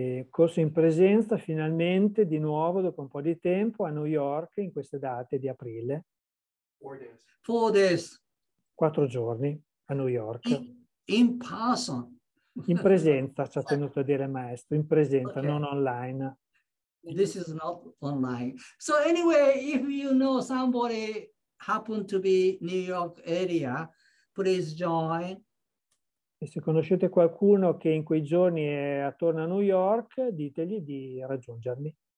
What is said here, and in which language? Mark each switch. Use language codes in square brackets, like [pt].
[it] Corso in presenza, finalmente, di nuovo, dopo un po' di tempo, a New York, in queste date di aprile. [en] 4 days. 4 days. [it] 4 giorni a New York. [en] In person. [it] In presenza, ci ha tenuto a dire il maestro, in presenza, okay. Non online. [en] This is not online. So anyway, if you know somebody happen to be New York area, please join. [it] E se conoscete qualcuno che in quei giorni è attorno a New York, ditegli di raggiungermi.